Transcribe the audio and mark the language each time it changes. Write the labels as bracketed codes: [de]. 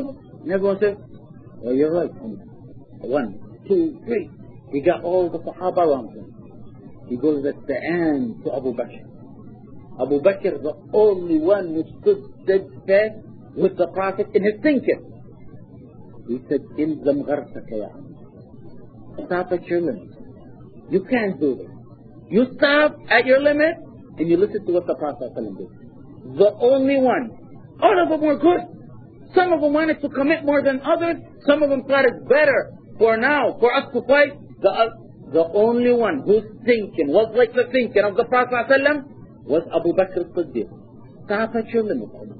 [en] And everyone says, well, you're right. One, two, three. He got all the Sahaba around him. He goes at the end to Abu Bakr. Abu Bakr, the only one who stood steadfast with the Prophet in his thinking. [ar] He said, إِلْزَمْ غَرْسَكَ يَا عَمْرَ. [en] Stop at your limit. You can't do this. You stop at your limit, and you listen to what the Prophet did. the only one. All of them were good. Some of them wanted to commit more than others. Some of them thought it better for now, for us to fight. The only one whose thinking was like the thinking of the Prophet ﷺ was Abu Bakr al-Siddiq. Stop at your limit.